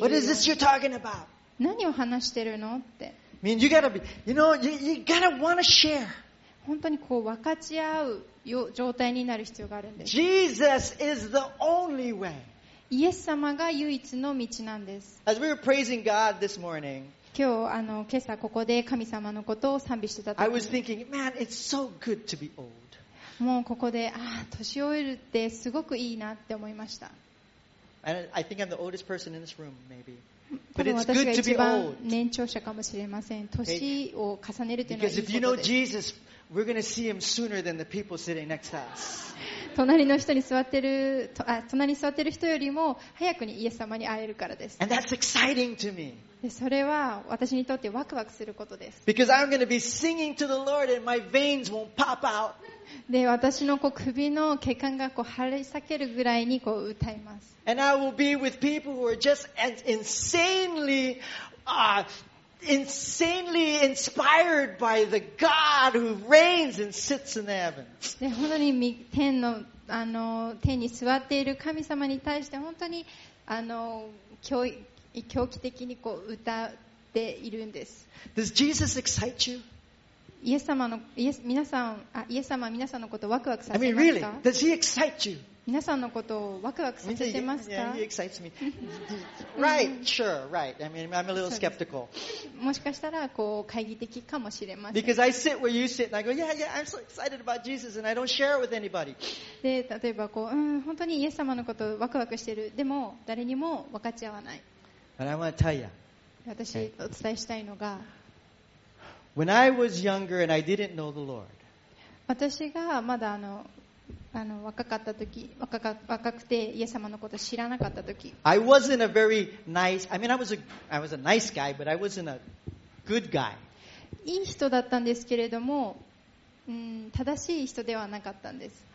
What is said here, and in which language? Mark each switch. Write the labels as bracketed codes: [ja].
[ja] 言う。 [en] What is this you're talking about? [ja] 何を話してるのって。 [en] I mean, you gotta be, you know, you gotta wanna share. [ja] 本当にこう分かち合う状態になる必要があるんです。 [en] Jesus is the only way. [ja] イエス様が唯一の道なんです。 [en] As we were praising God this morning, [ja] 今日あの今朝ここで神様のことを賛美してた時に [en] I was thinking, man, it's so good to be old. [ja] もうここで年老えるってすごくいいなって思いました。 [en] And I think I'm the oldest person in this room, maybe. But it's good to be old. [ja] 私が一番年長者かもしれません。年を重ねるというのはいいことです。 [en] Because if you know Jesus, we're going to see him sooner than the people sitting next to us. [ja] 隣の人に座ってる、隣に座ってる人よりも早くにイエス様に会えるからです。 [en] And that's exciting to me. [ja] で、それは私にとってワクワクすることです。 [en] Because I'm going to be singing to the Lord and my veins won't pop out. [ja] で、私のこう首の血管がこう腫れ裂けるぐらいにこう歌います。 [en] And I will be with people who are just as insanely, insanely inspired by the God who reigns and sits in the heavens. [ja] で、本当に天の、あの、天に座っている神様に対して本当に、あの、狂気的にこう歌っているんです。 [en] Does Jesus excite you? [ja] イエス様の、イエス様は皆さんのことをワクワクさせますか? [en] I mean, really, does he excite you? [ja] 皆さんのことをワクワクさせてますか? [en] Yeah, he excites me. Right, sure, right. I mean, I'm a little skeptical. [ja] もしかしたら、こう、懐疑的かもしれません。 [en] Because I sit where you sit and I go, yeah, yeah, I'm so excited about Jesus and I don't share it with anybody. [ja] で、例えばこう、本当にイエス様のことをワクワクしてる。でも、誰にも分かち合わない。 [en] But I want to tell you. [ja] 私、お伝えしたいのが、 [en] When I was younger and I didn't know the Lord. [ja] 私がまだあの若かった時、若くてイエス様のことを知らなかった時。 [en] I wasn't a very nice. I mean, I was a nice guy, but I wasn't a good guy. [ja] いい人だったんですけれども、正しい人ではなかったんです。